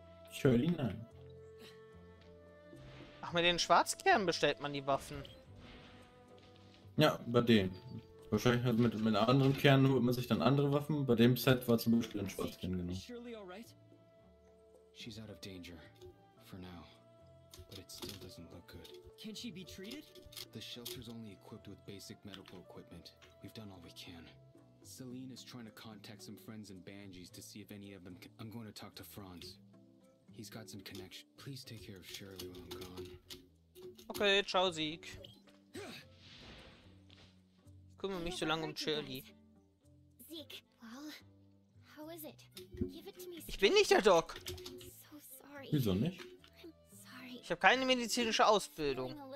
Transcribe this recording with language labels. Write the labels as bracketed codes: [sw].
[de] Shirley, nein. Ach, mit den Schwarzkernen bestellt man die Waffen. Ja, bei denen. Wahrscheinlich mit anderen Kernen holt man sich dann andere Waffen. Bei dem Set war zum Beispiel ein Schwarzkern genommen. [en] Shirley, alright? She's out of danger. For now. But it still doesn't look good. Can she be treated? The shelter's only equipped with basic medical equipment. We've done all we can. Celine is trying to contact some friends in Banjis to see if any of them can. I'm going to talk to Franz. He's got some connection. Please take care of Shirley while I'm gone. [de] Okay, ciao, Zeke. Ich kümmere mich so lange um Shirley. [en] Zeke, well, how is it? Give it to me. [de] Ich bin nicht der Doc. Wieso nicht? Ich habe keine medizinische Ausbildung.